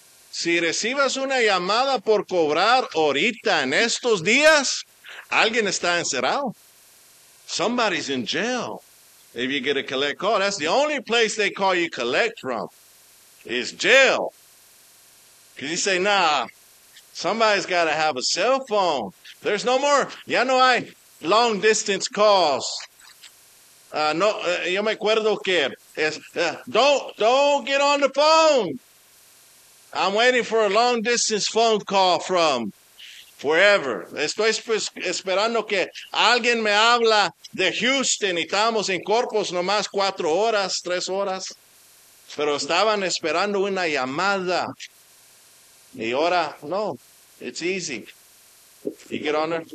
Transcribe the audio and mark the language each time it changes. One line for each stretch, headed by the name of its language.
Spanish: Si recibes una llamada por cobrar ahorita en estos días, alguien está encerrado.
English: Somebody's in jail. If you get a collect call, that's the only place they call you collect from is jail. Because you say, nah, somebody's got to have a cell phone. There's no more.
Spanish: Ya no hay
English: long distance calls.
Spanish: Yo me acuerdo que
English: don't get on the phone. I'm waiting for a long distance phone call from wherever.
Spanish: Estoy esperando que alguien me habla de Houston. Y estamos en Corpus nomás 4 horas, 3 horas. Pero estaban esperando una llamada. Y ahora, no,
English: it's easy. You get on there.